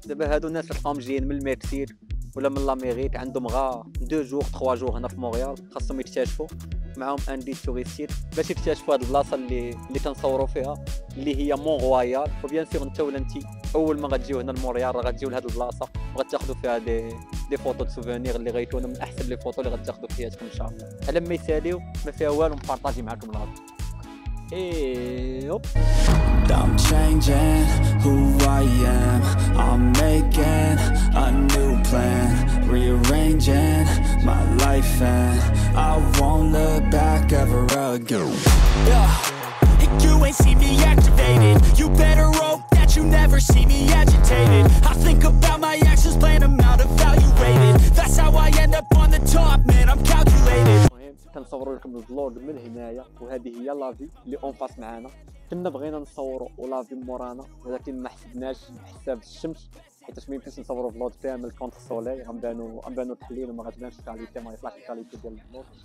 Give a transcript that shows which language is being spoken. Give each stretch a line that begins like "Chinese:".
Arabic: دابا هادو ناس الفام جايين من المكسيك ولا من لاميريك، عندهم غا دو جوغ تخوا جوغ هنا في مونريال، خاصهم يكتشفوا معاهم ان دي توريستيك باش يكتشفوا هاد البلاصه اللي كنصوروا فيها اللي هي مون رويال. وبيان سور انت ولا انت اول ما غتجيو هنا لمونريال راه غتجيو لهاد البلاصه وغتاخذوا فيها دي فوتو دو سوفونير اللي غيكون من احسن لي فوتو اللي غتاخذوا في حياتكم ان شاء الله. على ما يساليو ما فيها والو، نبارطاجي معكم الغد.
English: ايوب I'm changing who I am. I'm making a new plan. Rearranging my life and I won't look back ever again. Yeah. You ain't see me activated. You better hope that you never see me agitated. I think about my actions, plan them out, evaluated. That's how I end up on the top, man. I'm calculated.
Arabic: كنصوروا لكم الفلوغ من هنايا وهذه هي لافي اللي اون باس معانا. كنا بغينا نصوروا ولافي مورانا ولكن ما حسبناش حساب الشمس حيت ما يمكنش نصوروا فلوغ كامل كونت سولي، غنبانوا تحليل وما غاتبانش الكاليتي، ما يطلعش الكاليتي ديال الفلوغ.